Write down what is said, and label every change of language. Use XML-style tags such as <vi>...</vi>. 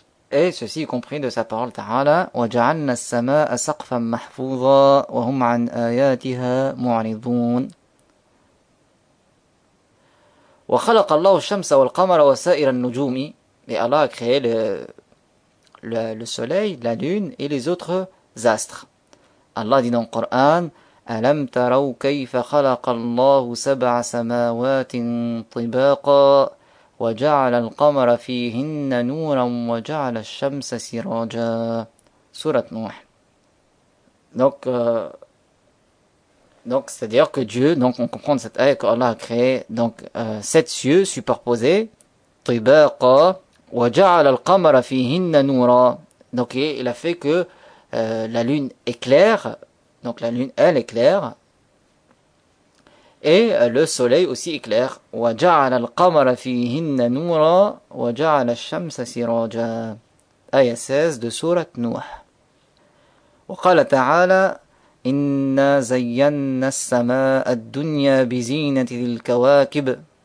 <fr>Et ceci y compris de sa parole Ta'ala,</fr> <ar>وَجَعَلْنَا السَّمَاءَ سَقْفًا مَحْفُوظًا وَهُمْ عَنْ آيَاتِهَا مُعْرِضُونَ وَخَلَقَ اللَّهُ الشَّمْسَ وَالْقَمَرَ وَسَائِرَ النُّجُومِ.</ar> <fr>Et Allah a créé le soleil, la lune et les autres astres. Allah dit dans le Coran,</fr> <ar>ألم تروا كيف خلق الله سبع سماوات طباقا وجعل القمر فيهن نورا وجعل الشمس سراجا. سورة نوح.</ar> <fr>Donc c'est-à-dire que Dieu, donc on comprend de cette ayah que Allah a créé donc sept cieux superposés,</fr> <ar>طباقا وجعل القمر فيهن نورا.</ar> <fr>Donc il a fait que la lune éclaire, donc la lune elle éclaire, et le soleil aussi éclaire.</fr> <ar>وجعل القمر فيهن نورا وجعل الشمس سراجا.</ar> <fr>Ayah 16 de sourate Nuh.</fr> <ar>وقال تعالى إنا زينا السماء الدنيا بزينة الكواكب.</ar>